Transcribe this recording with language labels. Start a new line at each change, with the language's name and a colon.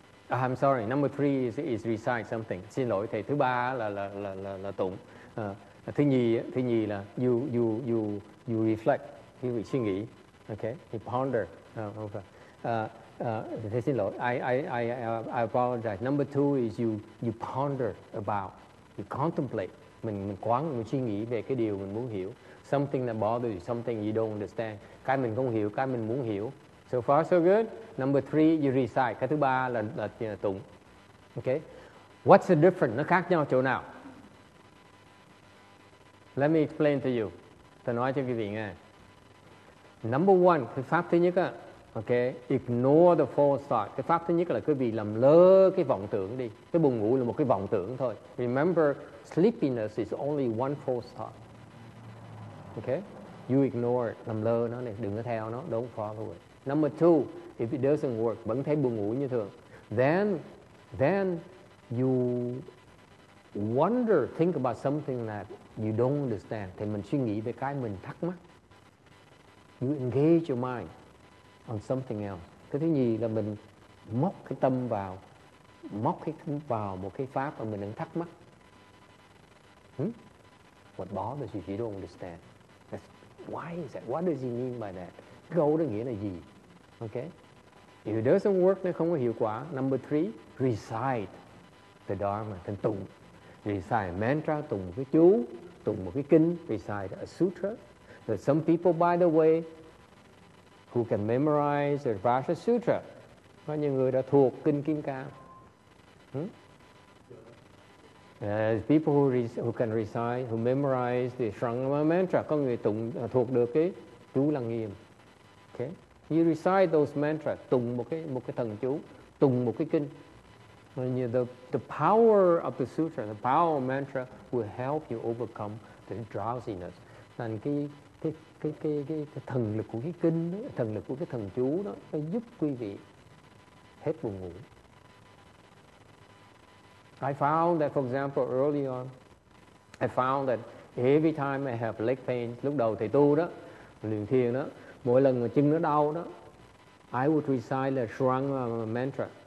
English: I'm sorry. Number three is recite something.
Vietnamese: Xin lỗi thầy. Thứ ba là tụng. Thứ nhì là
English: you reflect. You
Vietnamese: suy nghĩ.
English: Okay, he ponder. I apologize. Number two is you ponder about, you contemplate.
Vietnamese: Mình quán, mình suy nghĩ về cái điều mình muốn hiểu.
English: Something that bothers you, something you don't understand.
Vietnamese: Cái mình không hiểu, cái mình muốn hiểu.
English: So far, so good. Number three, you recite.
Vietnamese: Cái thứ ba là tụng.
English: Okay. What's the difference?
Vietnamese: Nó khác nhau chỗ nào?
English: Let me explain to you.
Vietnamese: Tôi nói cho quý vị nghe.
English: Number one,
Vietnamese: cái pháp thứ nhất á,
English: okay, ignore the false thought.
Vietnamese: Cái pháp thứ nhất là quý vị làm lơ cái vọng tưởng đi. Cái buồn ngủ là một cái vọng tưởng thôi.
English: Remember, sleepiness is only one false thought. Okay? You ignore it,
Vietnamese: làm lơ nó này, đừng có theo nó,
English: don't follow it. Number two, if it doesn't work,
Vietnamese: vẫn thấy buồn ngủ như thường.
English: Then you wonder, think about something that you don't understand.
Vietnamese: Thì mình suy nghĩ về cái mình thắc mắc.
English: You engage your mind on something else.
Vietnamese: Cái thứ nhì là mình móc cái tâm vào, móc cái tâm vào một cái pháp mà mình đang thắc mắc.
English: What bothers you? You don't understand. That's, why is that? What does he mean by that?
Vietnamese: go nó nghĩa là gì. Okay.
English: If it doesn't work,
Vietnamese: nó không có hiệu quả.
English: Number three, recite the Dharma,
Vietnamese: thành tụng.
English: Recite mantra,
Vietnamese: tụng một cái chú, tụng một cái kinh,
English: recite a sutra. But some people, by the way, who can memorize the Vajra Sutra,
Vietnamese: có những người đã thuộc kinh Kim Cang.
English: People who can recite, who memorize the Sangha mantra,
Vietnamese: có người tụng thuộc được cái chú Lăng Nghiêm. Okay,
English: you recite those mantras,
Vietnamese: tụng một cái thần chú, tụng một cái kinh.
English: When you, the power of the sutra, the power of mantra will help you overcome the drowsiness.
Vietnamese: Thành cái thần lực của cái kinh đó, thần lực của cái thần chú đó, nó giúp quý vị hết buồn ngủ.
English: I found that, for example, early on, I found that every time I have leg pain,
Vietnamese: lúc đầu thầy tu đó, luyện thiền đó, mỗi lần mà chân nó đau đó,
English: I would recite the Sangha mantra.